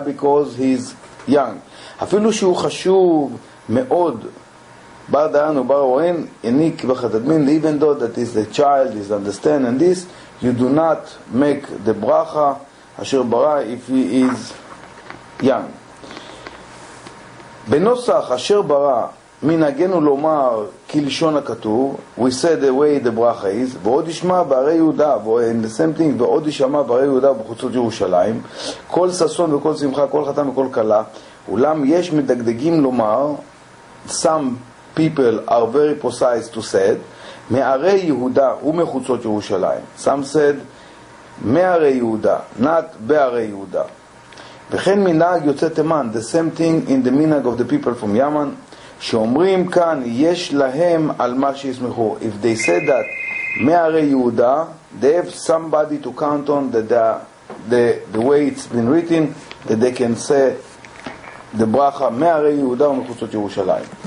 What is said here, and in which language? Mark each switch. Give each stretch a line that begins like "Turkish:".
English: Because he's young.
Hebrew: אפילו שהוא חשוב מאוד, בר דיין ובר רואין, יניק וחתדמין,
English: even though that is the child, is understanding this, you do not make the ברכה, אשר ברא, if he is young.
Hebrew: בנוסח אשר ברא, מנהגנו לומר כלשון הכתוב,
English: we said the way the ברכה is,
Hebrew: ועוד ישמע בערי יהודה,
English: and the same thing,
Hebrew: ועוד ישמע בערי יהודה בחוצות ירושלים, כל ששון וכל שמחה, כל חתן וכל כלה, אולם יש מדגדגים לומר,
English: some people are very precise to said,
Hebrew: מערי יהודה ומחוצות ירושלים.
English: Some said,
Hebrew: מערי יהודה,
English: not
Hebrew: בערי יהודה. וכן מנהג יוצא תימן,
English: the same thing in the minhag of the people from Yemen,
Hebrew: שאומרים כאן, יש להם על מה שיסמכו.
English: If they said that, מערי יהודה, they have somebody to count on the way it's been written, that they can say the bracha,
Hebrew: מערי יהודה ומחוצות ירושלים.